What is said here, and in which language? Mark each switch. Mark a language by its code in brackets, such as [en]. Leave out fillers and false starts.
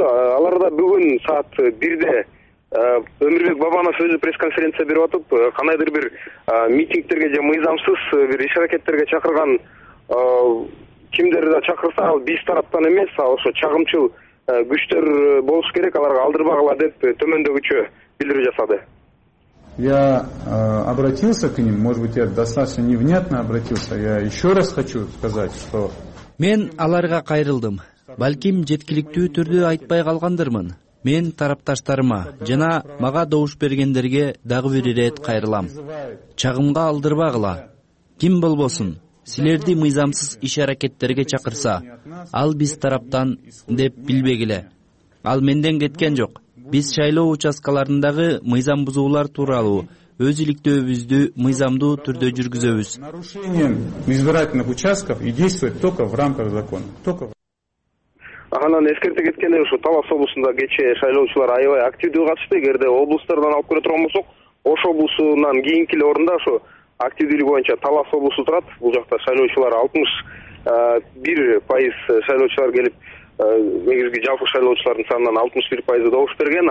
[ky] Алар да бүгүн саат 1:00 Өмүрбек Бабанов өзү пресс конференция берип атып, кандайдыр бир митингдерге же мыйзамсыз бир иш аракеттерге чакырган кимдер да чакырса, ал биз тараптан эмес, ал ошо чагымчыл күчтөр болуш керек, аларга алдырбагыла деп төмөндөгүчө билдирүү жасады. [ru] Я обратился к ним, может быть, я достаточно невнятно обратился. Я еще раз хочу сказать, что [ky] мен аларга кайрылдым. Балким жеткиликтүү түрдө айтпай калгандырмын. Мен тарапташтарыма жана мага добуш бергендерге дагы бир ирет кайрылам. Чагымга алдырбагыла. Ким болбосун, силерди мыйзамсыз иш аракеттерге чакырса, ал биз тараптан деп билбегиле. Ал менден кеткен жок. Биз шайлоо участкаларындагы мыйзам бузуулар тууралуу өз иликтөөбүздү мыйзамдуу түрдө жүргүзөбүз. [ru] Нарушением избирательных участков и действовать только в рамках закона. [ky] Анан эскерте кеткенде, ушу Талас облусунда кечээ шайлоочулар аябай активдүү катышты. Эгерде облустардан алып көрө турган болсок, Ош облусунан кийинки эле орунда ушу активдүүлүк боюнча Талас облусу турат. Бул жакта шайлоочулар 61% шайлоочулар келип, негизги жалпы шайлоочулардын санынан 61% добуш берген.